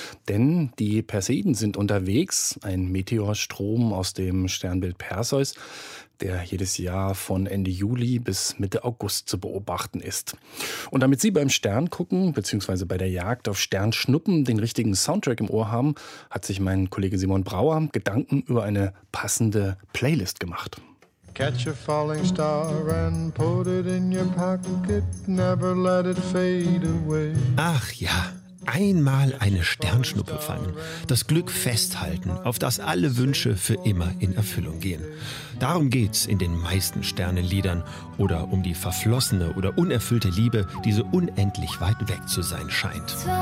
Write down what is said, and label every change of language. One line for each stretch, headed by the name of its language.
German: Denn die Perseiden sind unterwegs, ein Meteorstrom aus dem Sternbild Perseus, der jedes Jahr von Ende Juli bis Mitte August zu beobachten ist. Und damit Sie beim Sterngucken bzw. bei der Jagd auf Sternschnuppen den richtigen Soundtrack im Ohr haben, hat sich mein Kollege Simon Brauer Gedanken über eine passende Playlist gemacht.
English: Catch a falling star and put it in your pocket, never let it fade away.
German: Ach ja, einmal eine Sternschnuppe fangen, das Glück festhalten, auf das alle Wünsche für immer in Erfüllung gehen. Darum geht's in den meisten Sternenliedern oder um die verflossene oder unerfüllte Liebe, die so unendlich weit weg zu sein scheint.